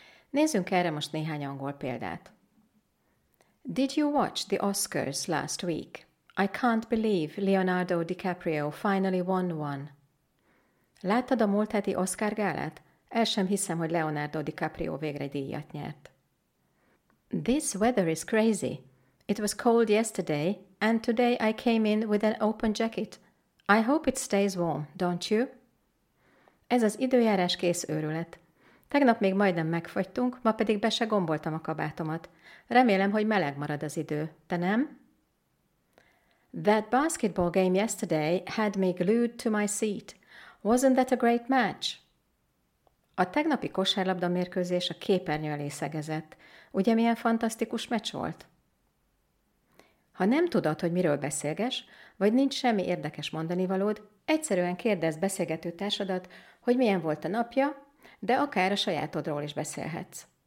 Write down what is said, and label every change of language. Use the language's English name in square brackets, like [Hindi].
[Hungarian] Nézzünk erre most néhány angol példát. [English] Did you watch the Oscars last week? I can't believe Leonardo DiCaprio finally won one. [Hungarian] Láttad a múlt heti Oscar gálát? El sem hiszem, hogy Leonardo DiCaprio végre díjat nyert. [English] This weather is crazy. It was cold yesterday, and today I came in with an open jacket. I hope it stays warm, don't you? [Hungarian] Ez az időjárás kész őrület. Tegnap még majdnem megfagytunk, ma pedig be se gomboltam a kabátomat. Remélem, hogy meleg marad az idő. Te nem? [English] That basketball game yesterday had me glued to my seat. Wasn't that a great match? [Hungarian] A tegnapi kosárlabda mérkőzés a képernyő elé szegezett. Ugye milyen fantasztikus meccs volt? Ha nem tudod, hogy miről beszélges, vagy nincs semmi érdekes mondanivalód, egyszerűen kérdezd beszélgető társadat, hogy milyen volt a napja, de akár a sajátodról is beszélhetsz.